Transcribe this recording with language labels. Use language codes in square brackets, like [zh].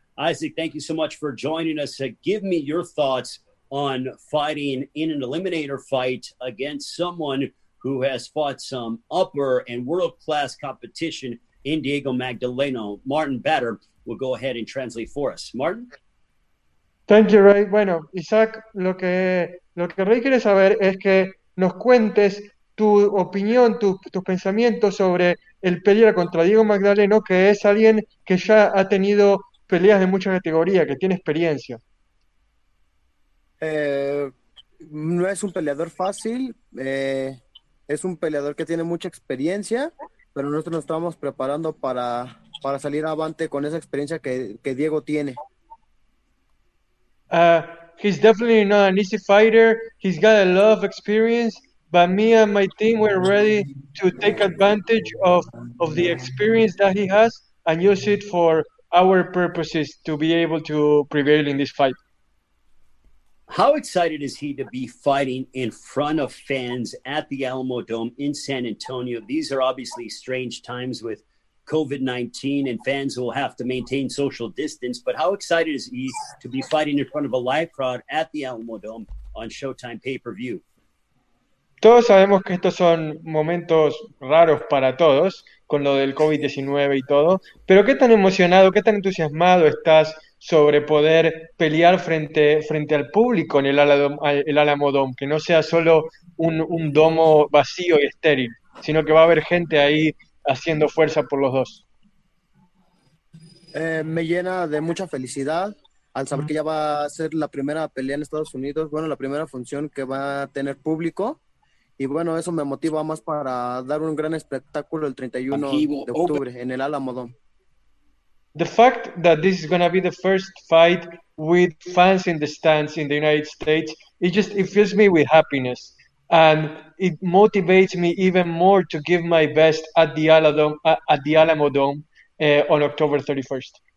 [en] Isaac, thank you so much for joining us. Give me your thoughts on fighting in an eliminator fight against someone who has fought some upper and world-class competition in Diego Magdaleno. Martin Batter will go ahead and translate for us. Martin? Thank you, Ray. [es] Bueno, Isaac, lo que Ray quiere saber es que nos cuentes tu opinión, tus pensamientos sobre el pelear contra Diego Magdaleno, que es alguien que ya ha tenido peleas de mucha categoría, que tiene experiencia. No es un peleador fácil, es un peleador que tiene mucha experiencia, pero nosotros nos estamos preparando para salir avante con esa experiencia que Diego tiene. [en] He's definitely not an easy fighter, he's got a lot of experience, but me and my team were ready to take advantage of the experience that he has and use it for our purposes to be able to prevail in this fight. How excited is he to be fighting in front of fans at the Alamo Dome in San Antonio? These are obviously strange times with COVID-19, and fans will have to maintain social distance. But how excited is he to be fighting in front of a live crowd at the Alamo Dome on Showtime pay-per-view? [es] Todos sabemos que estos son momentos raros para todos, con lo del COVID-19 y todo, pero ¿qué tan emocionado, qué tan entusiasmado estás sobre poder pelear frente al público en el Alamo Dome, que no sea solo un domo vacío y estéril, sino que va a haber gente ahí haciendo fuerza por los dos? Me llena de mucha felicidad al saber que ya va a ser la primera pelea en Estados Unidos, bueno, la primera función que va a tener público. Y bueno, eso me motiva más para dar un gran espectáculo el 31 de octubre en el Alamo Dome. [en] The fact that this is going to be the first fight with fans in the stands in the United States, it feels me with happiness. And it motivates me even more to give my best at the Alamo Dome on October 31st.